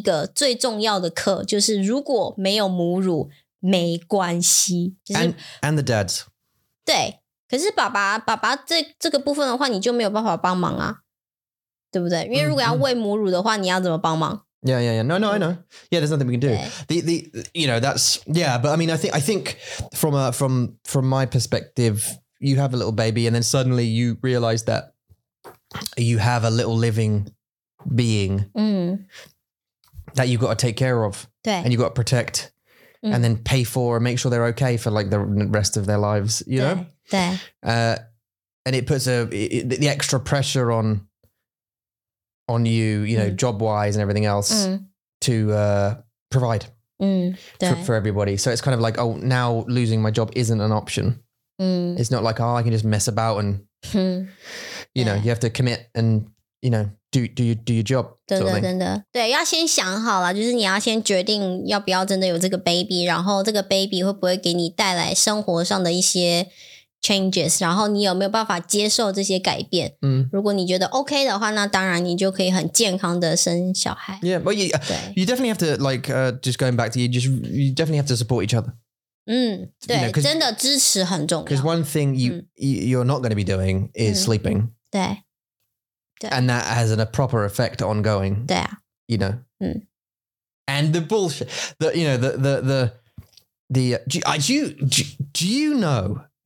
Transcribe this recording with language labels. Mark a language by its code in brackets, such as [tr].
[zh] 这是我当新手妈妈第一个最重要的课, 就是如果没有母乳, 没关系。 [en] And the dads. [zh] 对,可是爸爸这个部分的话, 你就没有办法帮忙啊, 对不对? 因为如果要喂母乳的话, 你要怎么帮忙? [en] Yeah, yeah, yeah. No, no, I know. Yeah, there's nothing we can do. The you know, that's, yeah, but I mean, I think from my perspective, you have a little baby and then suddenly you realize that you have a little living being that you've got to take care of and you've got to protect and then pay for and make sure they're okay for like the rest of their lives, you know? And it puts the extra pressure on you, you know, job-wise and everything else to provide for everybody. So it's kind of like, oh, now losing my job isn't an option. It's not like, oh, I can just mess about and, you know, you have to commit and, you know, do your job. [zh] 对,要先想好啦, 就是你要先决定要不要真的有这个baby, 然后这个baby会不会给你带来生活上的一些 changes, 然后你有没有办法接受这些改变, 如果你觉得OK的话, 那当然你就可以很健康的生小孩。 [en] Yeah, but you definitely have to, like, just going back to you definitely have to support each other. [zh] 对,真的支持很重要。 [en] Because one thing you're not going to be doing is sleeping. [zh] 对, 对。 [en] And that has a proper effect ongoing. [zh] 对啊。 [en] You know? And the bullshit, do you know...